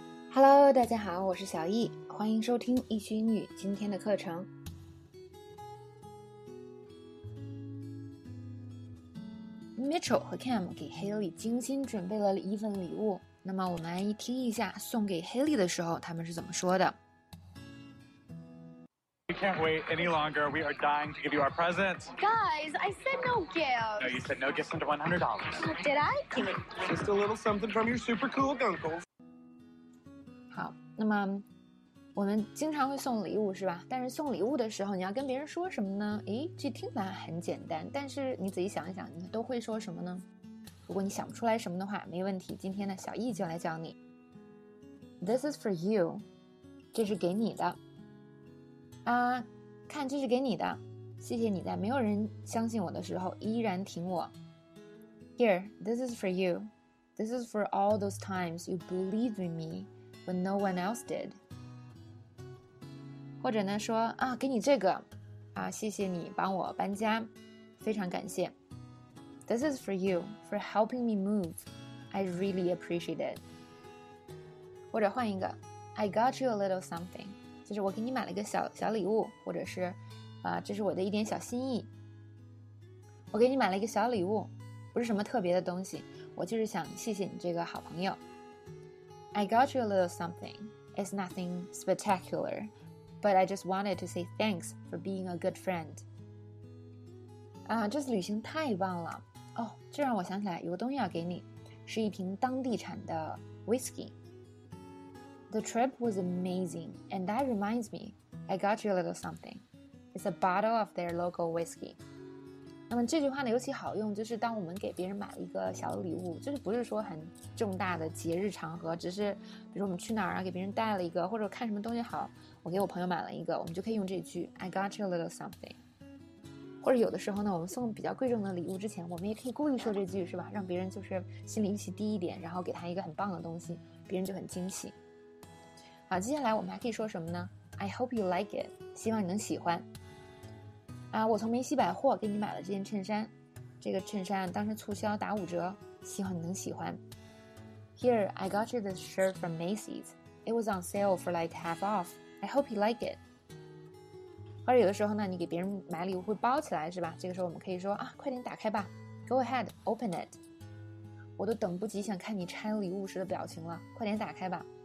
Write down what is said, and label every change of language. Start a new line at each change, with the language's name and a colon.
Chinese: Hello， 大家好，我是小易，欢迎收听易趣英语今天的课程。 Mitchell 和 Cam 给 Haley 精心准备了一份礼物，那么我们来听一下送给 Haley 的时候他们是怎么说的。
English: We can't wait any longer. We are dying to give you our presents. Guys, I said no gifts. No, you said no gifts under $100. Did I? Just a little something from your super cool uncles.
Chinese: 好，那么我们经常会送礼物是吧？但是送礼物的时候你要跟别人说什么呢？诶，这听起来很简单，但是你仔细想一想，你都会说什么呢？如果你想不出来什么的话，没问题，今天呢，小易就来教你。
English: This is for you.
Chinese: 这是给你的。啊，看，这是给你的，谢谢你在没有人相信我的时候依然挺我。
English: Here, this is for you. This is for all those times you believed in me when no one else did.
Chinese: 或者呢说啊，给你这个，啊，谢谢你帮我搬家，非常感谢。
English: This is for you, for helping me move. I really appreciate it.
Chinese: 或者换一个
English: ，I got you a little something.
Chinese: 就是我给你买了一个小小礼物，或者是，这是我的一点小心意。我给你买了一个小礼物，不是什么特别的东西，我就是想谢谢你这个好朋友。
English: I got you a little something. It's nothing spectacular, but I just wanted to say thanks for being a good friend.
Chinese: 啊，这次旅行太棒了！哦，这让我想起来有个东西要给你，是一瓶当地产的 whiskey。
English: The trip was amazing, and that reminds me, I got you a little something. It's a bottle of their local whiskey.
Chinese: 那么这句话呢，尤其好用，就是当我们给别人买了一个小礼物，就是不是说很重大的节日场合，只是比如我们去哪儿啊，给别人带了一个，或者看什么东西好，我给我朋友买了一个，我们就可以用这句
English: I got you a little something.
Chinese: 或者有的时候呢，我们送比较贵重的礼物之前，我们也可以故意说这句，是吧？让别人就是心里预期低一点，然后给他一个很棒的东西，别人就很惊喜。好，接下来我们还可以说什么呢 ？
English: I hope you like it，
Chinese: 希望你能喜欢。啊，我从梅西百货给你买了这件衬衫，这个衬衫当时促销打五折，希望你能喜欢。
English: Here I got you this shirt from Macy's. It was on sale for like half off. I hope you like it.
Chinese: 或者有的时候呢，你给别人买礼物会包起来是吧？这个时候我们可以说啊，快点打开吧 ，
English: Go ahead, open it.
Chinese: 我都等不及想看你拆礼物时的表情了，快点打开吧。